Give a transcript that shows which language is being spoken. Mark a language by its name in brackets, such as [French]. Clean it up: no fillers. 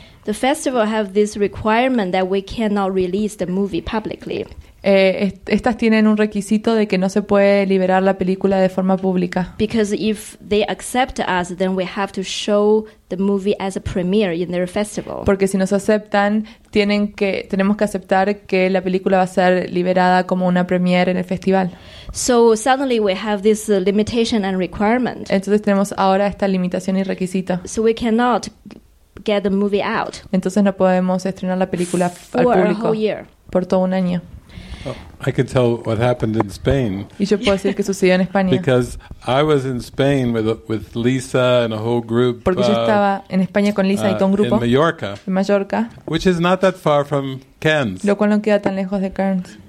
[English] the festival have this requirement that we cannot release the movie publicly. [Spanish] Estas tienen un requisito de que no se puede liberar la película de forma pública. [English] Because if they accept us, then we have to show the movie as a premiere in their festival. [Spanish] Porque si nos aceptan, tenemos que aceptar que la película va a ser liberada como una premiere en el festival. [English] So suddenly we have this limitation and requirement. [Spanish] Entonces tenemos ahora esta limitación y requisito. [English] So we cannot get the movie out. [Spanish] Entonces no podemos estrenar la película al público por todo un año. [English] I can tell what happened in Spain. [Spanish] Y yo puedo decir que sucedió en España. [English] Because I was in Spain with Lisa and a whole group. [Spanish] Porque yo estaba en España con Lisa y todo un grupo. [English] In Mallorca. [Spanish] En Mallorca. [English] Which is not that far from Cairns. [Spanish] Lo cual no queda tan lejos de Cairns.